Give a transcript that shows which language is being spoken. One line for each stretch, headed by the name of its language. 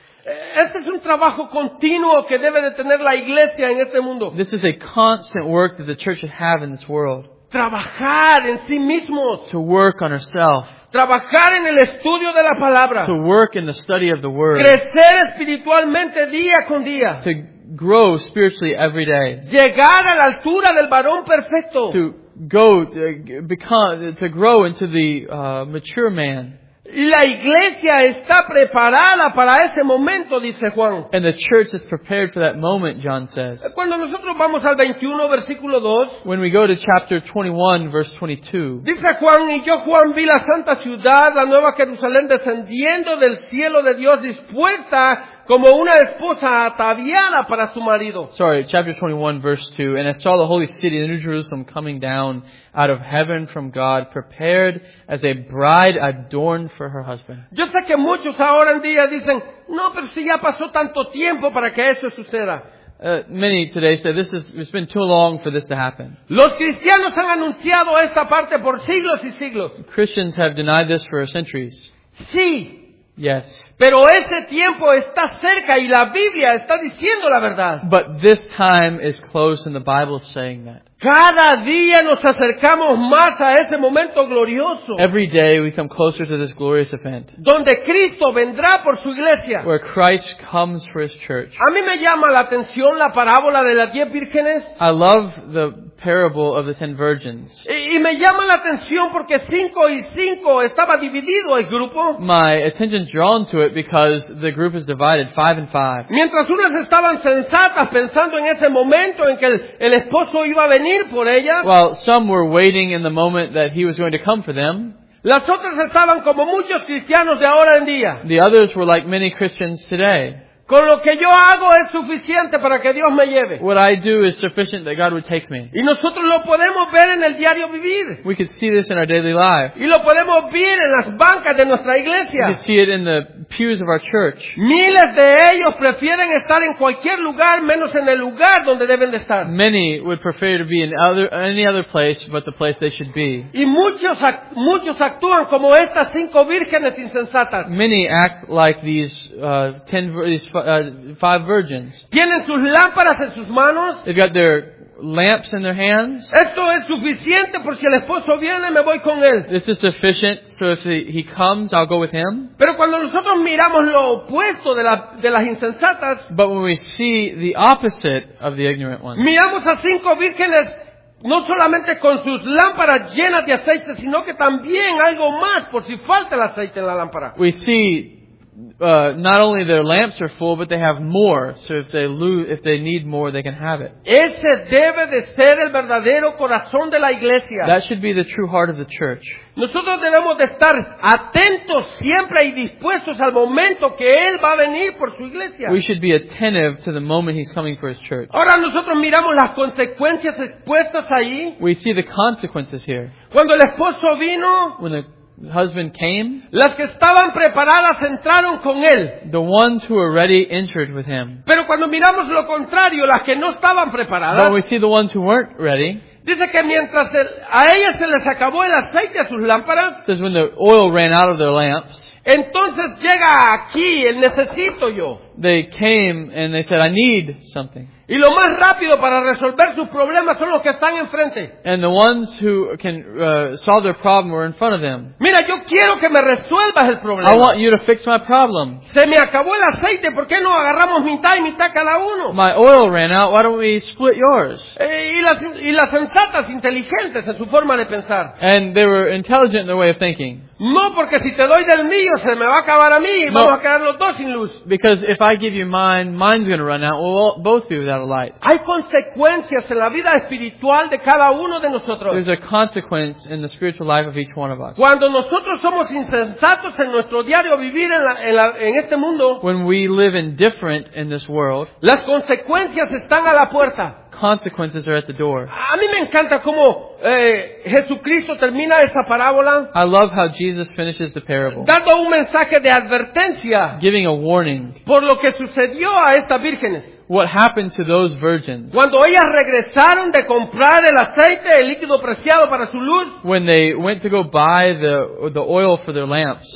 Spanish: Este es un trabajo continuo que debe de tener la iglesia en este mundo.
English: This is a constant work that the church should have in this world.
Spanish: Trabajar en sí mismos.
English: To work on ourselves.
Spanish: Trabajar en el estudio de la palabra.
English: To work in the study of the word.
Spanish: Crecer espiritualmente día con día.
English: To grow spiritually every day.
Spanish: Llegar a la altura del varón perfecto.
English: To go, to grow into the mature man.
Spanish: Y la iglesia está preparada para ese momento, dice Juan.
English: And the church is prepared for that moment, John says.
Spanish: Cuando nosotros vamos al 21, versículo 2,
English: when we go to chapter 21, verse 22,
Spanish: dice Juan, y yo, Juan, vi la santa ciudad, la nueva Jerusalén, descendiendo del cielo de Dios, dispuesta como una esposa ataviada para su marido.
English: Sorry, chapter 21, verse 2. And I saw the holy city, the New Jerusalem, coming down out of heaven from God, prepared as a bride adorned for her husband.
Spanish: Yo sé que muchos ahora en día dicen, no, pero si ya pasó tanto tiempo para que eso suceda.
English: Many today say this is, it's been too long for this to happen.
Spanish: Los cristianos han anunciado esta parte por siglos y siglos.
English: Christians have denied this for centuries.
Spanish: Sí.
English: Yes.
Spanish: Pero ese tiempo está cerca y la Biblia está diciendo la verdad.
English: But this time is close and the Bible is saying that.
Spanish: Cada día nos acercamos más a ese momento glorioso.
English: Every day we come closer to this glorious event.
Spanish: Donde Cristo vendrá por su iglesia.
English: Where Christ comes for his church.
Spanish: A mí me llama la atención la parábola de las 10 vírgenes.
English: I love the parable of the 10 virgins.
Spanish: Y me llama la atención porque 5 y 5 estaba dividido el grupo.
English: My attention is drawn to it because the group is divided 5 and 5.
Spanish: Mientras unas estaban sensatas pensando en ese momento en que el esposo iba a venir por ellas.
English: While some were waiting in the moment that he was going to come for them.
Spanish: Las otras estaban como muchos cristianos de ahora en día.
English: The others were like many Christians today.
Spanish: Con lo que yo hago es suficiente para que Dios me lleve.
English: What I do is sufficient that God would take me.
Spanish: Y nosotros lo podemos ver en el diario vivir.
English: We could see this in our daily life.
Spanish: Y lo podemos ver en las bancas de nuestra iglesia.
English: We could see it in the pews of our church.
Spanish: Miles de ellos prefieren estar en cualquier lugar menos en el lugar donde deben de estar.
English: Many would prefer to be in any other place but the place they should be.
Spanish: Y muchos actúan como estas cinco vírgenes insensatas.
English: Many act like these five virgins.
Spanish: Tienen sus lámparas en sus manos.
English: They've got their lamps in their hands.
Spanish: Esto es suficiente por si el esposo viene, me voy con él.
English: This is sufficient, so if he comes, I'll go with him.
Spanish: Pero cuando nosotros miramos lo opuesto de las insensatas,
English: but when we see the opposite of the ignorant ones,
Spanish: miramos a cinco vírgenes no solamente con sus lámparas llenas de aceite, sino que también algo más por si falta el aceite en la lámpara.
English: We see not only their lamps are full, but they have more. So if they need more, they can have it.
Spanish: Ese debe de ser el verdadero corazón de la iglesia.
English: That should be the true heart of the church.
Spanish: Nosotros debemos de estar atentos siempre y dispuestos al momento que Él va a venir por su iglesia.
English: We should be attentive to the moment He's coming for His church.
Spanish: Ahora nosotros miramos las consecuencias expuestas ahí.
English: We see the consequences here.
Spanish: Cuando el esposo vino,
English: when the husband came.
Spanish: Las que estaban preparadas entraron con él.
English: The ones who were ready entered with him.
Spanish: Pero cuando miramos lo contrario, las que no estaban preparadas.
English: But we see the ones who weren't ready.
Spanish: Dice que mientras a ellas se les acabó el aceite a sus lámparas.
English: Says when the oil ran out of their lamps.
Spanish: Entonces llega aquí el necesito yo.
English: They came and they said, I need something.
Spanish: Y lo más rápido para resolver sus problemas son los que están enfrente.
English: And the ones who can solve their problem were in front of them.
Spanish: Mira, yo quiero que me resuelvas el problema.
English: I want you to fix my problem.
Spanish: Se me acabó el aceite, ¿por qué no agarramos mitad y mitad cada uno?
English: My oil ran out, why don't we split yours?
Spanish: Y las sensatas, inteligentes en su forma de pensar.
English: And they were intelligent in their way of thinking.
Spanish: No, porque si te doy del mío, se me va a acabar a mí y vamos a quedar los dos sin luz.
English: Because if I give you mine, mine's going to run out. We'll both be without a light.
Spanish: Hay consecuencias en la vida espiritual de cada uno de nosotros.
English: There's a consequence in the spiritual life of each one of us.
Spanish: Cuando nosotros somos insensatos en nuestro diario vivir en este mundo,
English: when we live indifferent in this world,
Spanish: las consecuencias están a la puerta.
English: Consequences are at the door.
Spanish: A mí me encanta cómo Jesucristo termina esta parábola.
English: I love how Jesus finishes the parable.
Spanish: Dando un mensaje de advertencia.
English: Giving a warning.
Spanish: Por lo que sucedió a estas vírgenes.
English: What happened to those virgins?
Spanish: Cuando ellas regresaron de comprar el aceite, el líquido preciado para su luz.
English: When they went to go buy the oil for their lamps.